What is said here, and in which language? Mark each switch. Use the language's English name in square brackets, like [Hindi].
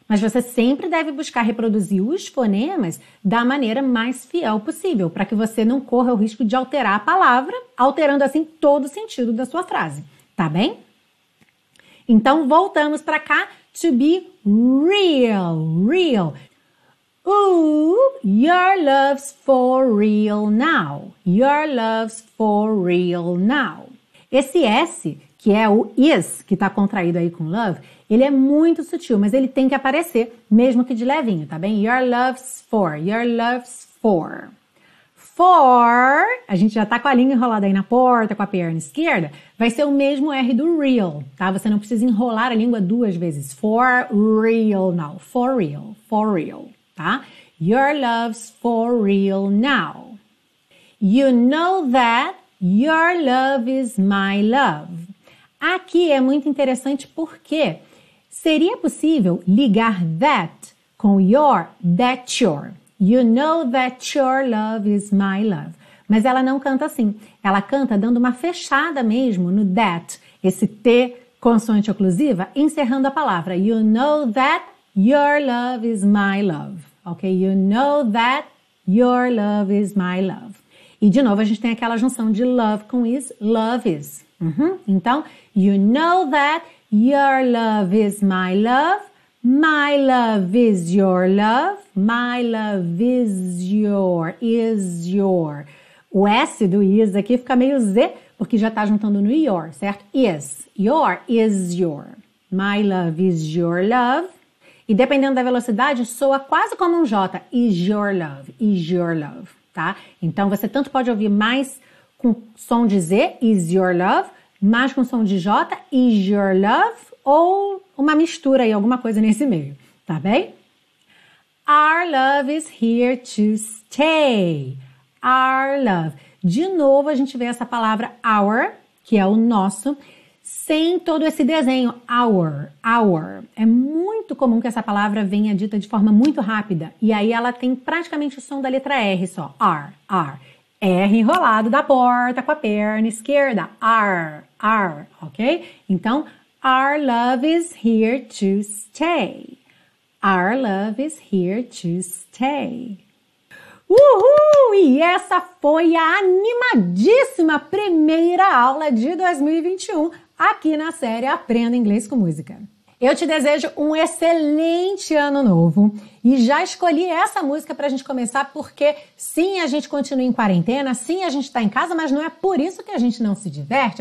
[Portuguese] Mas você sempre deve buscar reproduzir os fonemas da maneira mais fiel possível, para que você não corra o risco de alterar a palavra, alterando assim todo o sentido da sua frase, tá bem? Então, voltamos para cá, [English] to be real, real. Ooh, your love's for real now. Your love's for real now. [Portuguese] Esse S, que é o is, que tá contraído aí com love, ele é muito sutil, mas ele tem que aparecer, mesmo que de levinho, tá bem? [English] Your love's for, your love's for. [Portuguese] For, a gente já tá com a língua enrolada aí na porta, com a perna esquerda, vai ser o mesmo R do real, tá? Você não precisa enrolar a língua duas vezes. [English] For real now, for real, tá? Your love's for real now. You know that your love is my love. [Portuguese] Aqui é muito interessante porque seria possível ligar that com your, that your. [English] You know that your love is my love. [Portuguese] Mas ela não canta assim. Ela canta dando uma fechada mesmo no that, esse T, consoante oclusiva, encerrando a palavra. [English] You know that your love is my love. Ok? You know that your love is my love. [Portuguese] E de novo, a gente tem aquela junção de love com is, [English] love is. Uhum. Então, you know that your love is my love is your love, my love is your. [Portuguese] O S do is aqui fica meio Z, porque já tá juntando no your, certo? [English] Is your, my love is your love. [Portuguese] E dependendo da velocidade, soa quase como um J, [English] is your love, [Portuguese] tá? Então, você tanto pode ouvir mais com som de Z, [English] is your love, [Portuguese] mais com som de J, is your love, ou uma mistura aí, alguma coisa nesse meio, tá bem? [English] Our love is here to stay. Our love. [Portuguese] De novo, a gente vê essa palavra our, que é o nosso, sem todo esse desenho, our, our. É muito comum que essa palavra venha dita de forma muito rápida, e aí ela tem praticamente o som da letra R só, r, r. R enrolado da porta com a perna esquerda. R, R, ok? [English] Então, our love is here to stay. Our love is here to stay. Uhul! [Portuguese] E essa foi a animadíssima primeira aula de 2021 aqui na série Aprenda Inglês com Música. Eu te desejo um excelente ano novo e já escolhi essa música para a gente começar porque sim, a gente continua em quarentena, sim, a gente está em casa, mas não é por isso que a gente não se diverte.